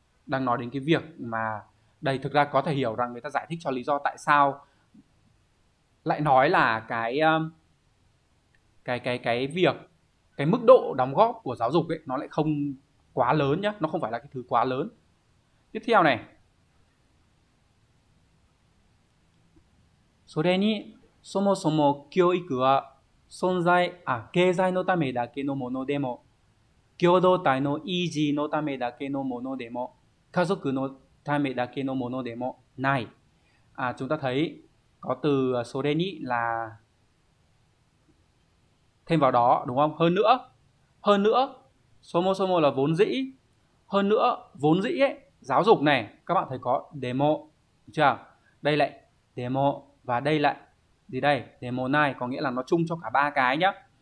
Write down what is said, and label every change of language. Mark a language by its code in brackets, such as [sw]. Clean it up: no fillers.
[vi] Đang nói đến cái việc mà đây thực ra có thể hiểu rằng người ta giải thích cho lý do tại sao lại nói là cái mức độ đóng góp của giáo dục ấy nó lại không quá lớn nhá, nó không phải là cái thứ quá lớn. Tiếp theo này. [ja] Sore ni somosomo kyoiku wa sonzai a keizai no tame dake no mono demo共同体の維持のためだけのものでも、家族のためだけのものでもない。 [vi] À, chúng ta thấy có từ それに là thêm vào đó đúng không? Hơn nữa. Hơn nữa, そもそも là vốn dĩ. Hơn nữa, vốn dĩ ấy, giáo dục này, các bạn thấy có demo chưa? Đây lại demo và đây lại gì đây? Demo này có nghĩa là nó chung cho cả ba cái nhá.